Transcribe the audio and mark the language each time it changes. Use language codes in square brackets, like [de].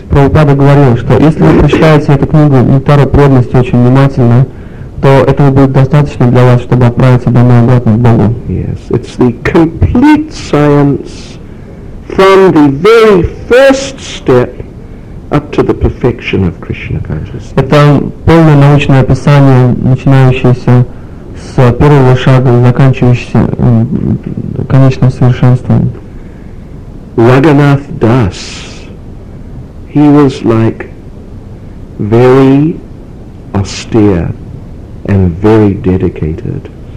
[ru] Прабхупада говорил, что если вы прочитаете эту книгу «Нектар преданности» очень внимательно, то этого будет достаточно для вас, чтобы отправиться домой обратно к Богу. [en] Yes, it's the complete science from the very first step up to the perfection of Krishna consciousness. [ru] Это полное научное описание, начинающееся с первого шага и заканчивающееся конечным совершенством. [en] Raghunath Das, he was like very austere and very dedicated.